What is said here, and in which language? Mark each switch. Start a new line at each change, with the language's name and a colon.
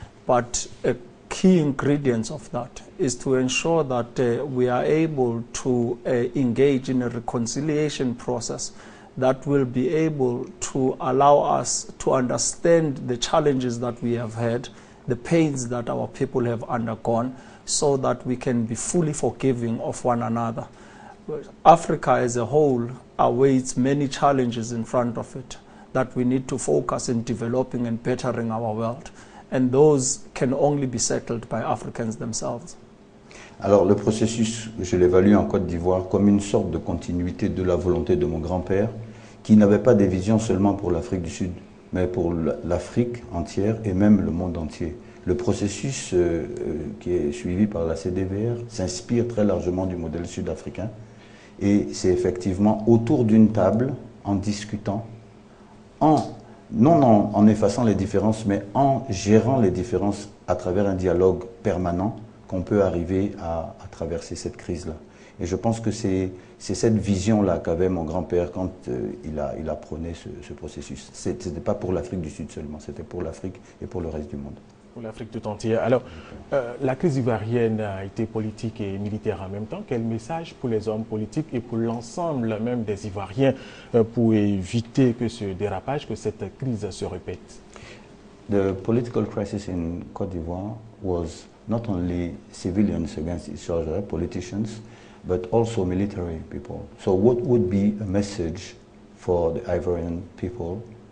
English: But a key ingredient of that is to ensure that we are able to engage in a reconciliation process that will be able to allow us to understand the challenges that we have had, the pains that our people have undergone, so that we can be fully forgiving of one another. Africa as a whole awaits many challenges in front of it that we need to focus in developing and bettering our world. And those can only be settled by Africans themselves.
French: Alors, le processus, je l'évalue en Côte d'Ivoire comme une sorte de continuité de la volonté de mon grand-père, qui n'avait pas des visions seulement pour l'Afrique du Sud, mais pour l'Afrique entière et même le monde entier. Le processus qui est suivi par la CEDEVEA s'inspire très largement du modèle sud-africain. Et c'est effectivement autour d'une table, en discutant, non en effaçant les différences, mais en gérant les différences à travers un dialogue permanent, qu'on peut arriver à traverser cette crise-là. Et je pense que c'est cette vision-là qu'avait mon grand-père quand il apprenait ce processus. Ce n'était pas pour l'Afrique du Sud seulement, c'était pour l'Afrique et pour le reste du monde. Pour l'Afrique tout entière. Alors, la crise ivoirienne a été politique et militaire en même temps. Quel message pour les hommes politiques et pour l'ensemble même des Ivoiriens pour éviter que ce dérapage, que cette crise se répète?
English: The political crisis in Côte d'Ivoire was not only civilians against each other, politicians, but also military people. So what would be a message for the Ivorian people?